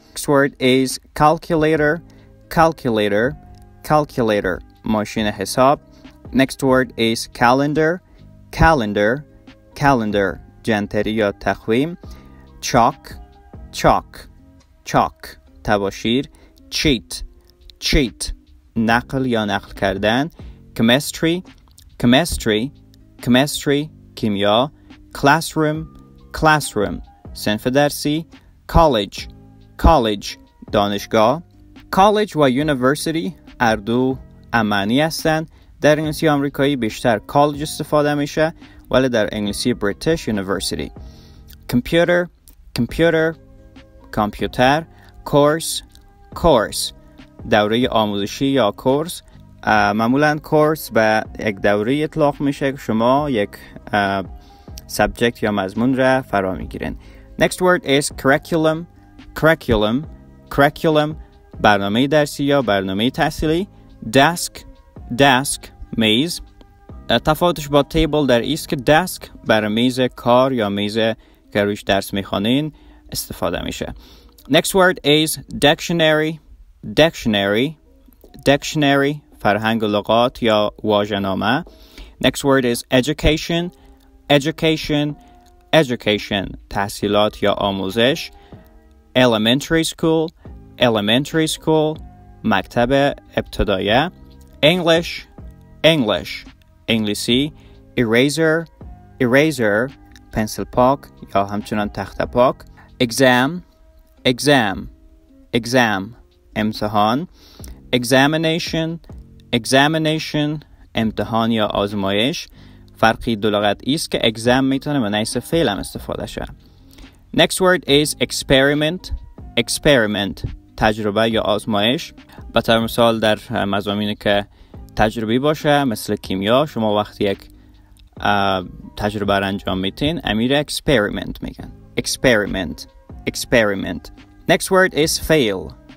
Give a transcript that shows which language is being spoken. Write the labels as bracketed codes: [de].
[en] Next word is calculator. Calculator، calculator، ماشین حساب. Next word is calendar. Calendar، calendar، جنتری یا تقویم. Chalk، chalk، chalk، تباشیر. [fa] Cheat، cheat، نقل یا نقل کردن. [en] Chemistry، chemistry، chemistry، کیمیا. Classroom، classroom، صنف درسی. College، college، دانشگاه. [fa] College و university هر دو معنی هستند. در انگلیسی آمریکایی بیشتر college استفاده میشه، ولی در انگلیسی British university. [en] Computer، computer، computer. [fa] Course، course، دوره آموزشی یا کورس. معمولاً کورس به یک دوره اطلاق میشه که شما یک سبجکت یا مضمون را فرا میگیرین. [en] Next word is curriculum. Curriculum. Curriculum. [fa] برنامه درسی یا برنامه تحصیلی. [en] Desk. Desk. میز. [fa] تفاوتش با تیبل در ایست که desk بر میز کار یا میز که روش درس میخوانین استفاده میشه. [en] Next word is dictionary. [fa] Dictionary. Dictionary. فرهنگ لغات یا واژه‌نامه. [en] Next word is education. Education. Education. [fa] تحصیلات یا آموزش. Elementary school. [en] Elementary school. مکتب ابتدایه. English. English. انگلیسی. Eraser. Eraser. [fa] پنسل پاک یا همچنان تخته پاک. [en] Exam. Exam. Exam. امتحان. [fa] Examination، examination، امتحان یا آزمایش. فرقی دو لغت ایست که exam میتونه به نیست فعل هم استفاده شه. [en] Next word is experiment. [fa] Experiment، تجربه یا آزمایش. به طور مثال در مضامینی که تجربی باشه مثل کیمیا، شما وقتی یک تجربه را انجام میتین امیره experiment میگن. [en] Experiment، experiment. Next word is fail.